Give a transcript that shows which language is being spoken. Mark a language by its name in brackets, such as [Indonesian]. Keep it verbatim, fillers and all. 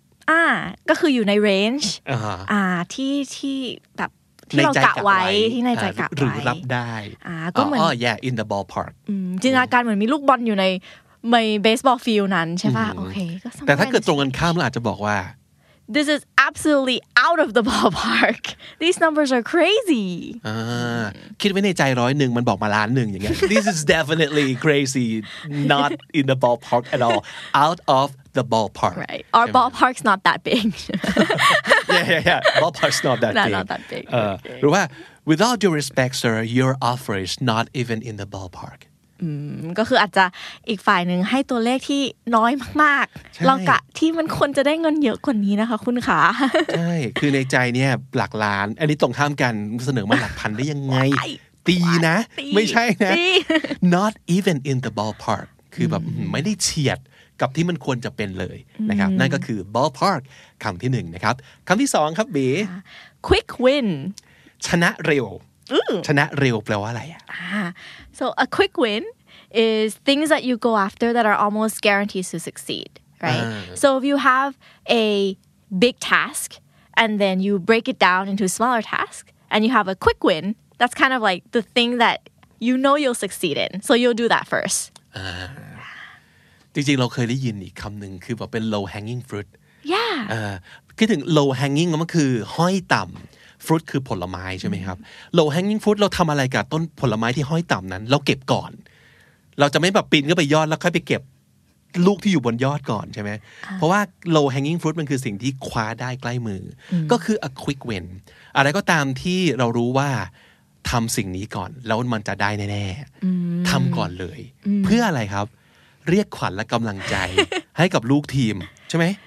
[Thai] อ่าก็คืออยู่ใน range อ่าฮะ อ่าที่ที่แบบที่ ใน เรา ใจ กะไว้ที่ในใจ อ่าก ะ หรือ ไว้ รับได้ อ่าก็เหมือน [English] yeah in the ballpark [Thai] อืมจินตนาการเหมือนมีลูกบอลอยู่ในในเบสบอลฟิลนั้นใช่ป่ะโอเคก็ sometimes แต่ถ้าเกิดตรงกันข้ามเราอาจจะบอกว่า [English] this is absolutely out of the ballpark these numbers are crazy [Thai] อ่าคิดไว้ในใจร้อยหนึ่งมันบอกมาล้านหนึ่งอย่างเงี้ย [English] this is definitely crazy not in the ballpark [Thai] at all out of the ballpark [English] right our [Thai] ใช่ไหม [English] ballpark's not that big yeah yeah yeah ballpark's not that Not- big not that big. เออหรือว่า with all due respect sir your offer is not even in the ballpark [Thai] ก็คืออาจจะอีกฝ่ายหนึ่งให้ตัวเลขที่น้อยมาก ใช่ ๆ เรากะที่มันควรจะได้เงินเยอะกว่านี้นะคะคุณขา ใช่ คือในใจเนี่ยหลักล้าน อันนี้ตรงข้ามกันเสนอมาหลักพันได้ยังไง ว้าย ตีนะ ตี ไม่ใช่นะ ตี [English] not even in the ballpark [Thai] คือแบบไม่ได้เฉียดกับที่มันควรจะเป็นเลยนะครับ นั่นก็คือ ballpark คำที่หนึ่งนะครับ คำที่สองครับบี [English] quick win [Thai] ชนะเร็ว ชนะเร็วแปลว่าอะไรอ่ะ [English] So a quick win is things that you go after that are almost guaranteed to succeed, right? So if you have a big task and then you break it down into smaller tasks and you have a quick win, that's kind of like the thing that you know you'll succeed in. So you'll do that first. [Thai] จริงๆ เราเคยได้ยินอีกคำหนึ่งคือแบบเป็น low hanging fruit Yeah. อ่าคิดถึง low hanging มันก็คือห้อยต่ำ fruit คือผลไม้ใช่ไหมครับ low hanging fruit เราทำอะไรกับต้นผลไม้ที่ห้อยต่ำนั้น เราเก็บก่อน เราจะไม่แบบปีนขึ้นไปยอดแล้วค่อยไปเก็บลูกที่อยู่บนยอดก่อนใช่ไหมเพราะว่า low hanging fruit มันคือสิ่งที่คว้าได้ใกล้มืออก็คือ a quick win อะไรก็ตามที่เรารู้ว่าทำสิ่งนี้ก่อนแล้วมันจะได้แน่ๆทำก่อนเลย เพื่ออะไรครับ เรียกขวัญและกำลังใจ ให้กับลูกทีมใช่ไหม